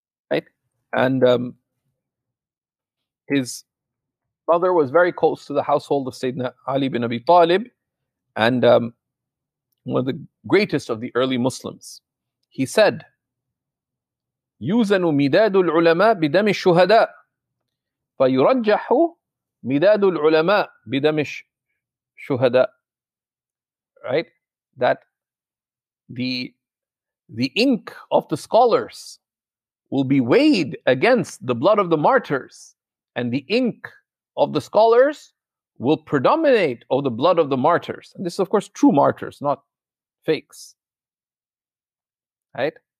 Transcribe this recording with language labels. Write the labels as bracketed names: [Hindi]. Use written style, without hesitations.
[English] Right? And his mother was very close to the household of Sayyidina Ali ibn Abi Talib, and one of the greatest of the early Muslims. He said, [Arabic] يُزَنُ مِدَادُ الْعُلَمَاءِ بِدَمِ الشُّهَدَاءِ فَيُرَجَّحُ مِدَادُ الْعُلَمَاءِ بِدَمِ الشُّهَدَاءِ. [English] Right? That the ink of the scholars will be weighed against the blood of the martyrs, and the ink of the scholars will predominate over the blood of the martyrs. And this is, of course, true martyrs, not fakes. Right?